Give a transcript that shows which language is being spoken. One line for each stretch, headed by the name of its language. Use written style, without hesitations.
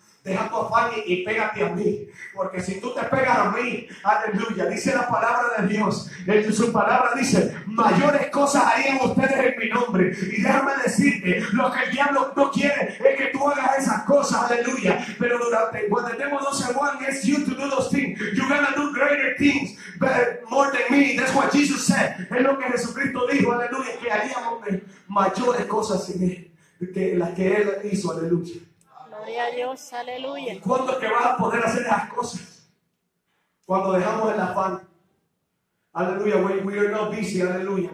Spanish: Deja tu afán y pégate a mí, porque si tú te pegas a mí, aleluya, dice la palabra de Dios. Su palabra dice, mayores cosas harían ustedes en mi nombre. Y déjame decirte, lo que el diablo no quiere es que tú hagas esas cosas, aleluya. Pero durante cuando tenemos 12 Juan, es
English: you to do those things. You're gonna do greater things, but more than me. That's what Jesus said.
Spanish: Es lo que Jesucristo dijo, aleluya, que haríamos mayores cosas sin él que las que él hizo, aleluya. Gloria a Dios, aleluya. ¿Y cuándo es que vas a poder hacer esas cosas? Cuando dejamos el afán. Aleluya,
English: when we are not busy,
Spanish: aleluya.